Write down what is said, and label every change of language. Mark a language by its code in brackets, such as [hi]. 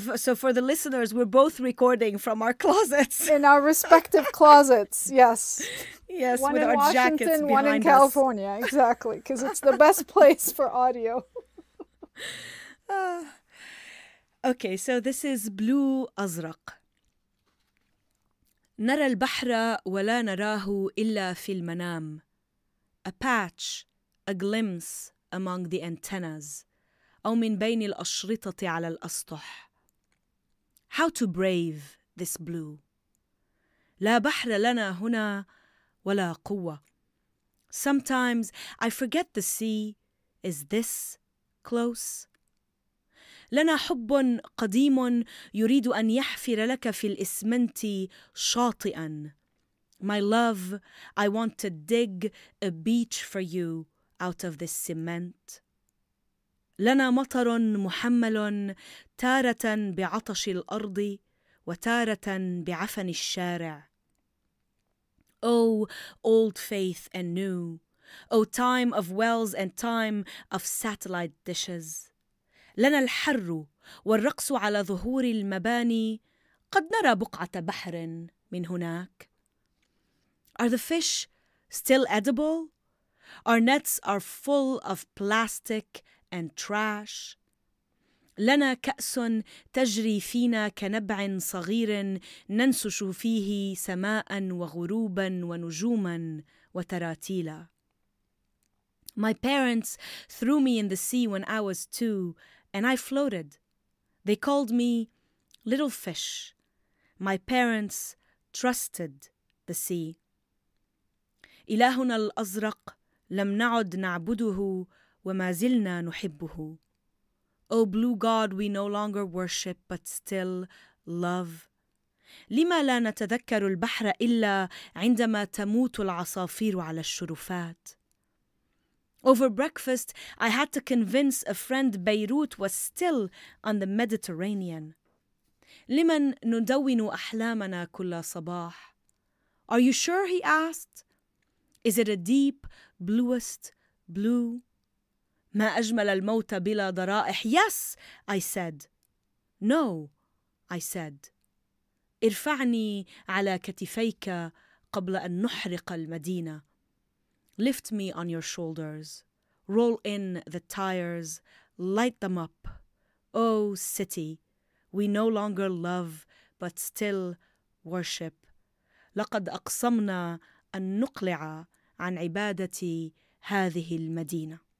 [en] So for the listeners, we're both recording from our closets. In our respective closets, yes. Yes, one with our Washington, jackets behind us. One in Washington, one in California, exactly, because it's the best place for audio. Okay, so this is Blue Azraq. [ar] نرى البحر ولا نراه إلا في المنام. [en] A patch, a glimpse among the antennas. [ar] أو من بين الأشرطة على الأسطح. [en] How to brave this blue. [ar] لا بحر لنا هنا ولا قوة. [en] Sometimes I forget the sea. Is this close? [ar] لنا حب قديم يريد أن يحفر لك في الإسمنت شاطئا. [en] My love, I want to dig a beach for you out of this cement. [ar] لنا مطر محمل تارة بعطش الأرض وتارة بعفن الشارع. [en] Oh, old faith and new. Oh, time of wells and time of satellite dishes. [ar] لنا الحر والرقص على ظهور المباني قد نرى بقعة بحر من هناك. [en] Are the fish still edible? Our nets are full of plastic and trash. [ar] لنا كأس تجري فينا كنبع صغير ننسش فيه سماء وغروبا ونجوما وتراتيلا. [en] My parents threw me in the sea when I was two, and I floated. They called me little fish. My parents trusted the sea. [ar] إلهنا الأزرق لم نعد نعبده وما زلنا نحبه. [en] O blue God, we no longer worship but still love. [ar] لما لا نتذكر البحر إلا عندما تموت العصافير على الشرفات. [en] Over breakfast, I had to convince a friend Beirut was still on the Mediterranean. [ar] لمن ندون أحلامنا كل صباح? [en] Are you sure? He asked. Is it a deep, bluest blue? [ar] ما أجمل الموت بلا ضرائح. [en] Yes, I said. No, I said. [ar] ارفعني على كتفيك قبل أن نحرق المدينة. [en] Lift me on your shoulders. Roll in the tires. Light them up. Oh, city, we no longer love, but still worship. [ar] لقد أقسمنا أن نقلع عن عبادة هذه المدينة.